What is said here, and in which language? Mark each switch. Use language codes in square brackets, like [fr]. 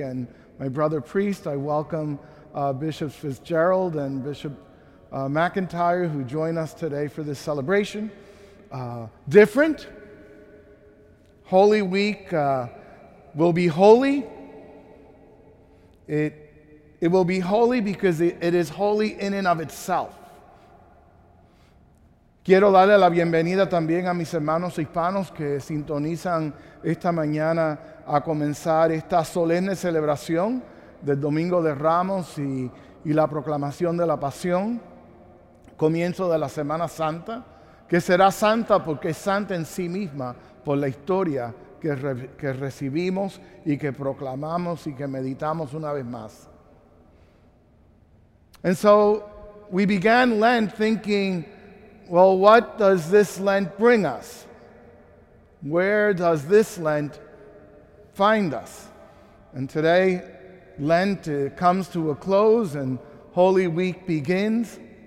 [en] And my brother priest, I welcome Bishop Fitzgerald and Bishop McIntyre, who join us today for this celebration. Different. Holy Week will be holy. It will be holy because it is holy in and of itself. [es] Quiero darle la bienvenida también a mis hermanos hispanos que sintonizan esta mañana a comenzar esta solemne celebración del Domingo de Ramos y la proclamación de la Pasión, comienzo de la Semana Santa, que será santa porque es santa en sí misma por la historia que recibimos y que proclamamos y que meditamos una vez más. [en] And so we began Lent thinking, well, what does this Lent bring us? Where does this Lent find us? And today, Lent comes to a close and Holy Week begins.